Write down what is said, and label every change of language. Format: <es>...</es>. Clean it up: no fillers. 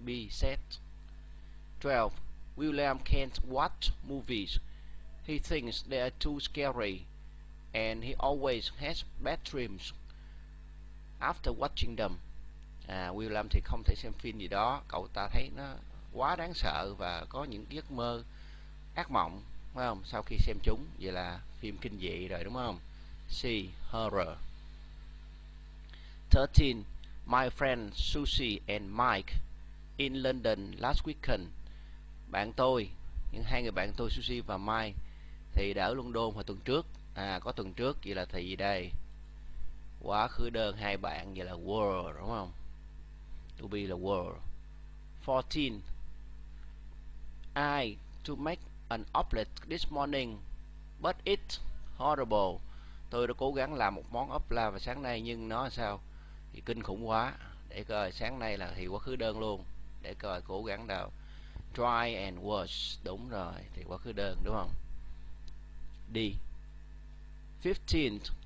<en>B, sad. 12. William can't watch movies. He thinks they are too scary and he always has bad dreams after watching them.</en> <vi>À, William thì không thể xem phim gì đó, cậu ta thấy nó quá đáng sợ và có những giấc mơ ác mộng, phải không? Sau khi xem chúng, vậy là phim kinh dị rồi đúng không? C, horror. 13.</vi> <en>My friend Susie and Mike in London last weekend.</en> <vi>Bạn tôi, những hai người bạn tôi Susie và Mike thì đã ở London hồi tuần trước. À, có tuần trước vậy là thì gì đây? Quá khứ đơn hai bạn vậy là were đúng không?</vi> <en>To be là were. 14. I to make an omelet this morning, but it horrible.</en> <vi>Tôi đã cố gắng làm một món ốp la vào sáng nay nhưng nó sao? Thì kinh khủng quá. Để coi sáng nay là thì quá khứ đơn luôn. Để coi cố gắng nào.</vi> <en>Try and was.</en> <vi>Đúng rồi, thì quá khứ đơn đúng không? D. 15.</vi>